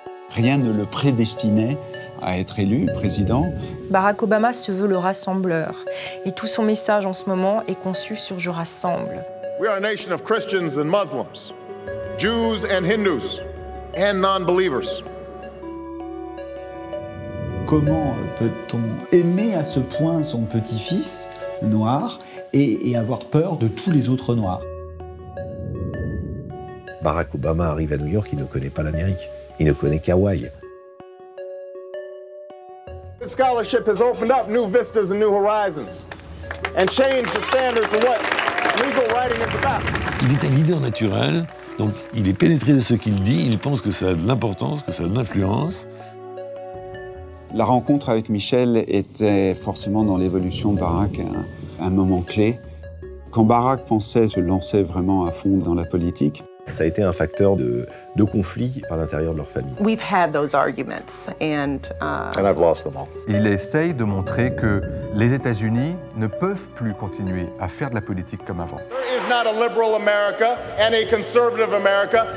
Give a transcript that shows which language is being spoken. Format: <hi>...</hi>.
<fr>Rien ne le prédestinait à être élu président. Barack Obama se veut le rassembleur. Et tout son message en ce moment est conçu sur « Je rassemble ».</fr> <en>We are a nation of Christians and Muslims, Jews and Hindus, and non-believers.</en> <fr>Comment peut-on aimer à ce point son petit-fils noir et avoir peur de tous les autres noirs ? Barack Obama arrive à New York, il ne connaît pas l'Amérique. Il ne connaît qu'Hawaï.</fr> <en>This scholarship has opened up new vistas and new horizons and changed the standards of what legal writing is about.</en> <fr>Il est un leader naturel, donc il est pénétré de ce qu'il dit, il pense que ça a de l'importance, que ça a de l'influence. La rencontre avec Michel était forcément dans l'évolution de Barack un moment clé. Quand Barack pensait se lancer vraiment à fond dans la politique, ça a été un facteur de conflit à l'intérieur de leur famille.</fr> <en>We've had those arguments and I've lost them all.</en> <fr>Il essaye de montrer que les États-Unis ne peuvent plus continuer à faire de la politique comme avant.</fr> <en>There is not a liberal America and a conservative America.</en>